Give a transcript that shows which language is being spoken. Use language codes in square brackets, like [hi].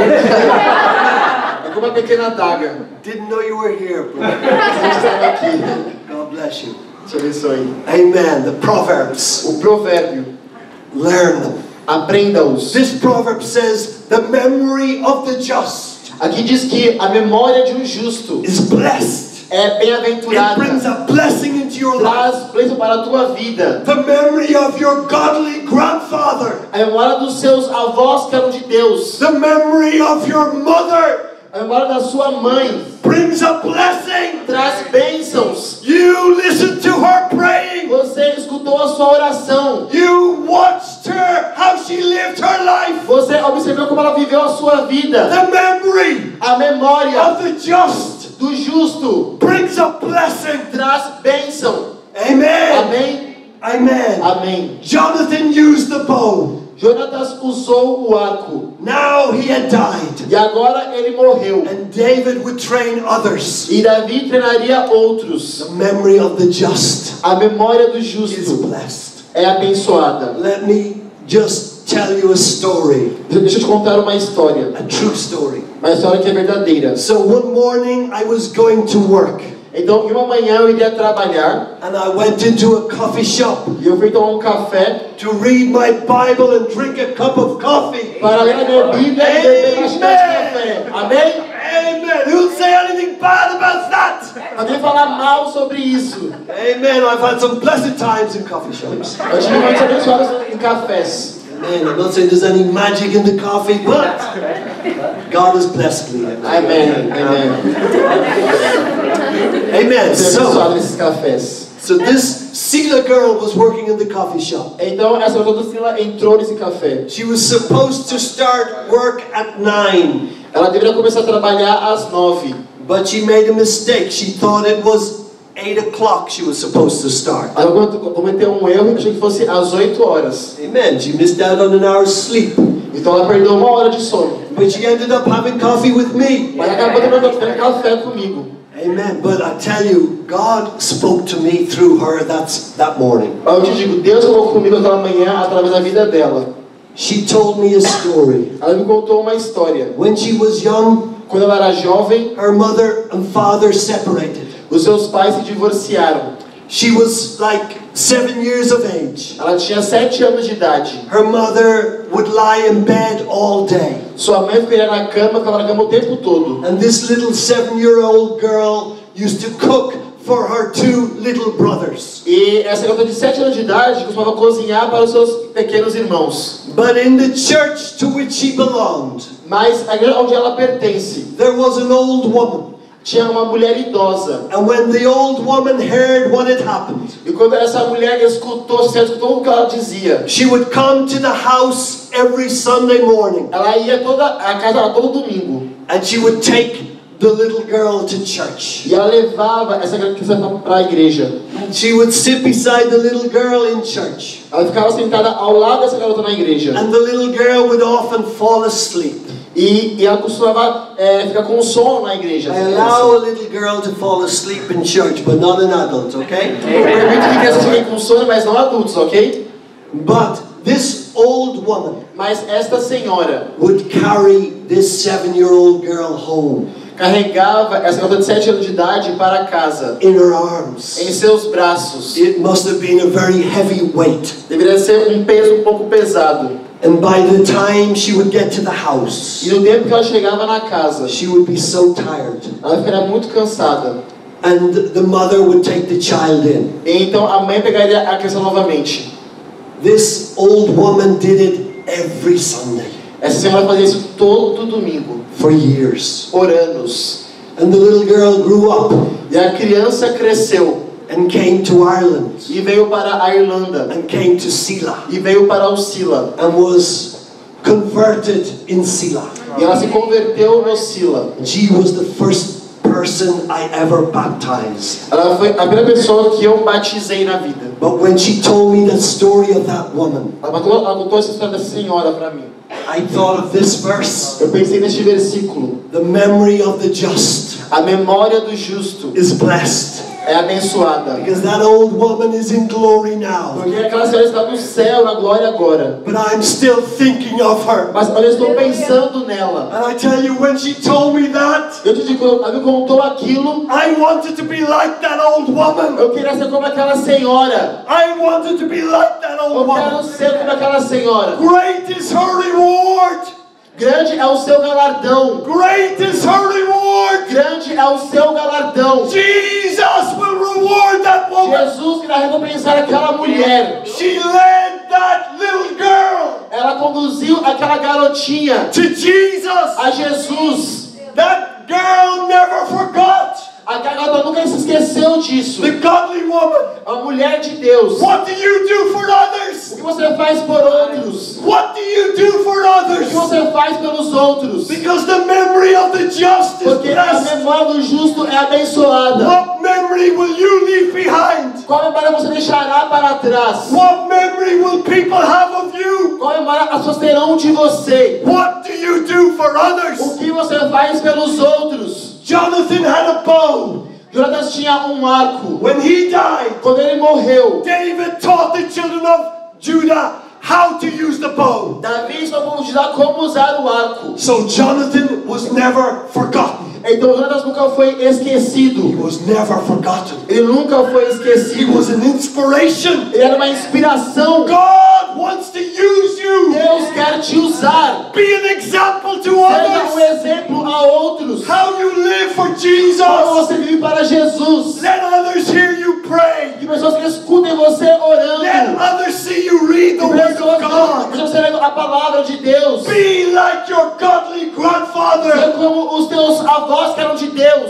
[pt] É como uma pequena daga. [en] Didn't know you were here, bro. [pt] Estava aqui. [en] God bless you. [pt] Te abençoe. [en] Amen. The Proverbs. [pt] O provérbio. [en] Learn them. [pt] Aprenda-os. [en] This proverb says, the memory of the just. [pt] Aqui diz que a memória de justo [en] is blessed. [pt] É bem-aventurada. [en] It brings a blessing into your life. [pt] Traz bênção para a tua vida. [en] The memory of your godly grandfather. [pt] A memória dos seus avós que eram de Deus. [en] The memory of your mother. [pt] A memória da sua mãe. [en] Brings a blessing. [pt] Traz bênçãos. [en] You listened to her praying. [pt] Você escutou a sua oração. [en] You watched her how she lived her life. [pt] Você observou como ela viveu a sua vida. [en] The memory. [pt] A memória. [en] Of the just. [pt] Do justo [en] brings a blessing. [pt] Traz bênção. [en] Amen. [pt] Amém. [en] Amen. [pt] Amém. [en] Jonathan used the bow. [pt] Jonatas usou o arco. [en] Now he had died. [pt] E agora ele morreu. [en] And David would train others. [pt] E Davi treinaria outros. [en] The memory of the just. [pt] A memória do justo [en] is blessed. [pt] É abençoada. [en] Let me just tell you a story. [pt] Deixa eu te contar uma história. [en] A true story. [pt] Uma história que é verdadeira. [en] So one morning I was going to work. [pt] Então uma manhã eu iria trabalhar. [en] And I went into a coffee shop. [pt] E eu fui a um café. [en] To read my Bible and drink a cup of coffee. [pt] Para ler a minha Bíblia e beber uma xícara de café. Amém? [en] Amen. Who'll say anything bad about that? [pt] Alguém falar mal sobre isso? [en] Amen. I've had some pleasant times in coffee shops. [pt] Eu tive muitas abençoadas em cafés. [en] Amen. I'm not saying there's any magic in the coffee, but God has blessed me. Amen. Amen. Amen. So this Sila girl was working in the coffee shop. [pt] Então essa outra Sila entrou nesse café. [en] She was supposed to start work at 9. [pt] Ela deveria começar a trabalhar às 9. [en] But she made a mistake. She thought it was 8 o'clock she was supposed to start. [pt] Ela cometeu erro e achou que fosse às 8 horas. [en] Amen. She missed out on an hour's sleep. [pt] Então ela perdeu uma hora de sono. [en] But she ended up having coffee with me. [pt] Mas acabou tomando café comigo. [en] Amen. But I tell you, God spoke to me through her that morning. [pt] Eu te digo, Deus falou comigo aquela manhã através da vida dela. [en] She told me a story. [pt] Ela me contou uma história. [en] When she was young, [pt] quando ela era jovem, [en] her mother and father separated. [pt] Os seus pais se divorciaram. [en] She was like 7 years of age. [pt] Ela tinha 7 anos de idade. [en] Her mother would lie in bed all day. [pt] Sua mãe ficava na cama, o tempo todo. [en] And this little 7-year-old girl used to cook for her 2 little brothers. [pt] E essa garota de 7 anos de idade costumava cozinhar para os seus pequenos irmãos. [en] But in the church to which she belonged, [pt] mas a igreja onde ela pertence, [en] there was an old woman. [pt] Tinha uma mulher idosa. [en] And when the old woman heard what had happened, [pt] e quando essa mulher escutou o que ela dizia, [en] she would come to the house every Sunday morning. [pt] Ela ia toda a casa dela todo domingo. [en] And she would take the little girl to church. [pt] E ela levava essa criança para a igreja. [en] And she would sit beside the little girl in church. [pt] Ela ficava sentada ao lado dessa garota na igreja. [en] And the little girl would often fall asleep. [pt] E ela costumava ficar com sono na igreja. [en] I allow a little girl to fall asleep in church, but not an adult, okay? [pt] Permito que crianças fiquem com sono, mas não adultos, ok? [en] But this old woman, [pt] mas esta senhora, [en] would carry this 7-year-old girl home. [pt] Carregava essa garota de 7 anos de idade para casa. [en] In her arms. [pt] Em seus braços. [en] It must have been a very heavy weight. [pt] Deveria ser um peso um pouco pesado. [en] And by the time she would get to the house, [pt] e no tempo que ela chegava na casa, [en] she would be so tired. [pt] Ela ficaria muito cansada. [en] And the mother would take the child in. [pt] E então a mãe pegaria a criança novamente. [en] This old woman did it every Sunday. [pt] Essa senhora fazia isso todo domingo. [en] For years. [pt] Por anos. [en] And the little girl grew up. [pt] E a criança cresceu. [en] And came to Ireland. [pt] E veio para a Irlanda. [en] And came to Sila. [pt] E veio para o Sila. [en] And was converted in Sila. [pt] E ela se converteu no Sila. [en] She was the first person I ever baptized. [pt] Ela foi a primeira pessoa que eu batizei na vida. [en] But when she told me the story of that woman, [pt] ela contou essa história da senhora para mim. [en] I thought of this verse. [pt] Eu pensei neste versículo. [en] The memory of the just. [pt] A memória do justo. [en] Is blessed. [pt] É abençoada. [en] Because that old woman is in glory now. [pt] Porque aquela senhora está no céu, na glória agora. [en] But I'm still thinking of her. [pt] Mas eu estou pensando nela. [en] And I tell you, when she told me that, [pt] eu te digo, ela me contou aquilo. [en] I wanted to be like that old woman. [pt] Eu queria ser como aquela senhora. [en] I wanted to be like that old woman. [pt] Eu quero ser como aquela senhora. [en] Great is her reward. [pt] Grande é o seu galardão. [en] Great is her reward. [pt] Grande é o seu galardão. [en] Jesus will reward that woman. [pt] Jesus irá recompensar aquela mulher. [en] She led that little girl. [pt] Ela conduziu aquela garotinha. [en] To Jesus. [pt] A Jesus. [en] That girl never forgot. [pt] A garota nunca se esqueceu disso. [en] The godly woman. [pt] A mulher de Deus. [en] What do you do for others? [pt] O que você faz por outros? [en] What do you do for others? [pt] O que você faz pelos outros? [en] Because the memory of the just is blessed. [pt] Porque a memória do justo é abençoada. [en] What memory will you leave behind? [pt] Qual memória você deixará para trás? [en] What memory will people have of you? [pt] Qual memória as pessoas terão de você? [en] What do you do for others? [pt] O que você faz pelos outros? [en] Jonathan had a bow. [pt] Jonathan tinha arco. [en] When he died, [pt] quando ele morreu, [en] David taught the children of Judah how to use the bow. [pt] Davi ensinou aos judeus como usar o arco. [en] So Jonathan was never forgotten. [pt] Então Jonathan nunca foi esquecido. [en] He was never forgotten. [pt] Ele nunca foi esquecido. [en] He was an inspiration. [pt] Ele era uma inspiração. [en] God wants to use you. [pt] Deus quer te usar. [en] Be an example to [pt] Seja [en] others. [pt] Seja um exemplo a outros. [en] How you live for Jesus. [pt] Como você vive para Jesus. [en] Let others hear you pray. [pt] Que pessoas que escutem você orando. [en] Let others see you read the word of God. [pt] Que pessoas lendo a palavra de Deus. [en] Be like your godly grandfather. [pt] Seja como os teus avós que eram de Deus.